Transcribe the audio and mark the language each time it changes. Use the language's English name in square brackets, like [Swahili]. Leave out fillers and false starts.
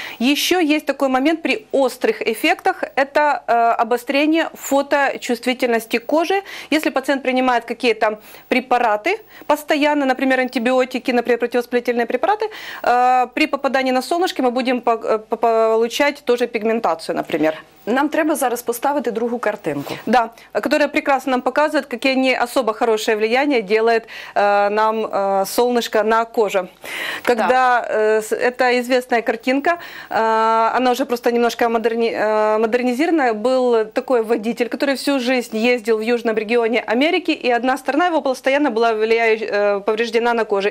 [Russian] Еще есть такой момент при острых эффектах, это обострение фоточувствительности кожи. Если пациент принимает какие-то препараты постоянно, например, антибиотики, например, противовоспалительные препараты, при попадании на солнышко мы будем получать тоже пигментацию, например. [Ukrainian] Нам треба зараз поставити другу картинку. [Russian] Да, которая прекрасно нам показывает, какие не особо хорошее влияние делает нам солнышко на кожу. Когда это известная картинка, она уже просто немножко модернизирована, был такой водитель, который всю жизнь ездил в южном регионе Америки, и одна сторона его постоянно была повреждена на коже.